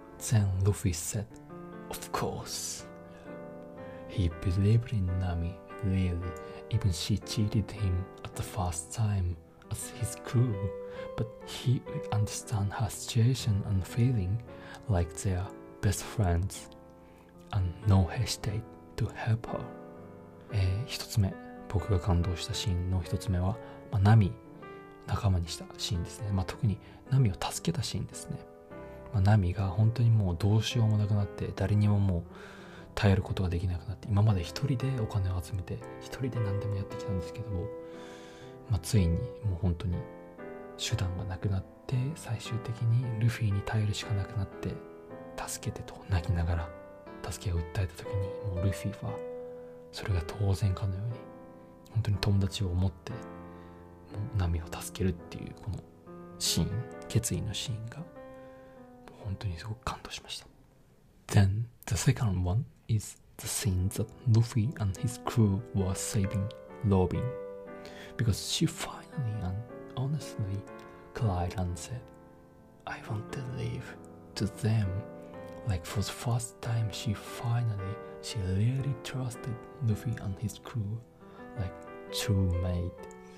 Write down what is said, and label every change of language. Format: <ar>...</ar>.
<en>Then Luffy said, of course. He believed in Nami, really, even she cheated him at the first time as his crew, but he would understand her situation and feeling like their best friends, and no hesitate to help her.</en> <ja>一つ目、僕が感動したシーンの一つ目は、まあ、ナミ仲間にしたシーンですね、まあ、特にナミを助けたシーンですね、まあ、ナミが本当にもうどうしようもなくなって、誰にももう頼ることができなくなって、今まで一人でお金を集めて一人で何でもやってきたんですけども、まあ、ついにもう本当に手段がなくなって、最終的にルフィに頼るしかなくなって、助けてと泣きながら助けを訴えた時に、もうルフィはそれが当然かのように本当に友達を思ってもうナミを助けるっていう、このシーン、決意のシーンが本当にすごく感動しました。</ja> <en>Then the second one is the scene that Luffy and his crew were saving Robin, because she finally and honestly cried and said, I want to live to them. Like for the first time she really trusted Luffy and his crew like true mate.</en>